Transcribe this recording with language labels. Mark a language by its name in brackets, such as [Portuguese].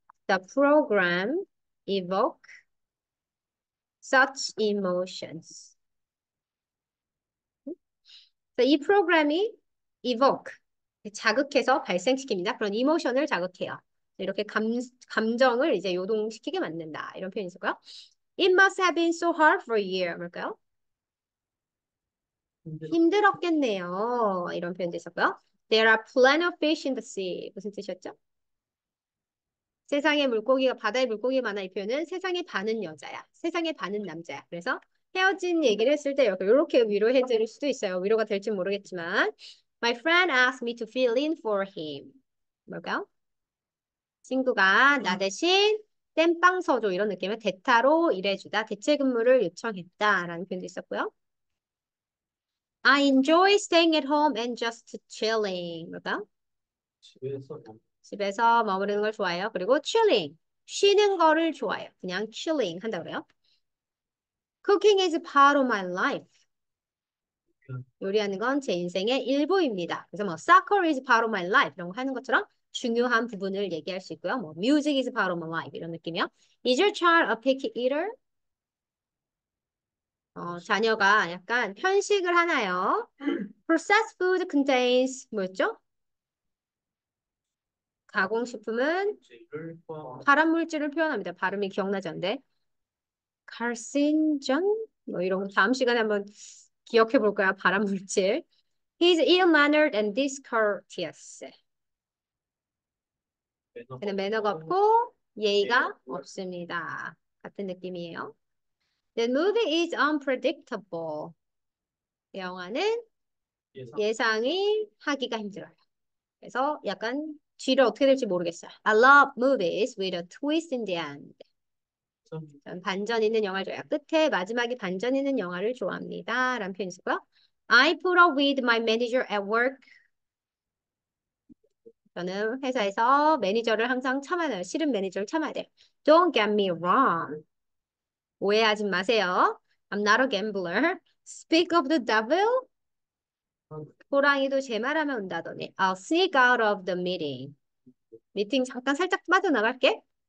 [English] The program evoke such emotions. [Korean] 이 프로그램이 evoke, 자극해서 발생시킵니다. 그런 emotion을 자극해요. 이렇게 감정을 이제 요동시키게 만든다. 이런 표현이 있을까요? [English] It must have been so hard for you. [Korean] 뭘까요? 힘들었겠네요. 이런 표현도 있었고요. [English] There are plenty of fish in the sea. [Korean] 무슨 뜻이었죠? 세상에 물고기가, 바다에 물고기가 많아. 이 표현은 세상에 반은 여자야. 세상에 반은 남자야. 그래서 헤어진 얘기를 했을 때 이렇게 위로해 드릴 수도 있어요. 위로가 될지 모르겠지만. [English] My friend asked me to fill in for him. [Korean] 뭘까요? 친구가 나 대신 땜빵 서줘. 이런 느낌의 대타로 일해주다. 대체 근무를 요청했다라는 표현도 있었고요. [English] I enjoy staying at home and just chilling. [Korean] 뭘까요? 집에서 머무르는 걸 좋아해요. 그리고 chilling. 쉬는 거를 좋아해요. 그냥 chilling 한다고 그래요. [English] Cooking is part of my life. [Korean] 요리하는 건제 인생의 일부입니다. 그래서 뭐, [English] soccer is part of my life. [Korean] 이런 거 하는 것처럼 중요한 부분을 얘기할 수 있고요. [English] 뭐, music is part of my life. [Korean] 이런 느낌이요. [English] Is your child a picky eater? [Korean] 자녀가 약간 편식을 하나요? [English] Processed food contains [Korean] 뭐였죠? 가공식품은 발암물질을 표현합니다. 발음이 기억나지 않는데. [English] Carcinogen? [Korean] 뭐 이런 다음 시간에 한번 기억해 볼 거야. 발암물질. [English] He's ill-mannered and discourteous. [Korean] 걔는 매너가 없고 예의가 없습니다. 같은 느낌이에요. [English] The movie is unpredictable. [Korean] 영화는 예상이 하기가 힘들어요. 그래서 약간 뒤를 어떻게 될지 모르겠어요. [English] I love movies with a twist in the end. [Korean] 전 반전 있는 영화를 좋아해요. 끝에 마지막에 반전 있는 영화를 좋아합니다. 라는 표현이 있고요. [English] I put up with my manager at work. [Korean] 저는 회사에서 매니저를 항상 참아요. 싫은 매니저를 참아야 돼요. [English] Don't get me wrong. [Korean] 오해하지 마세요. [English] I'm not a gambler. Speak of the devil. [Korean] 호랑이도 제말 하면 온다더니. [English] I'll sneak out of the meeting. [Korean] 미팅 잠깐 살짝 빠져나갈게.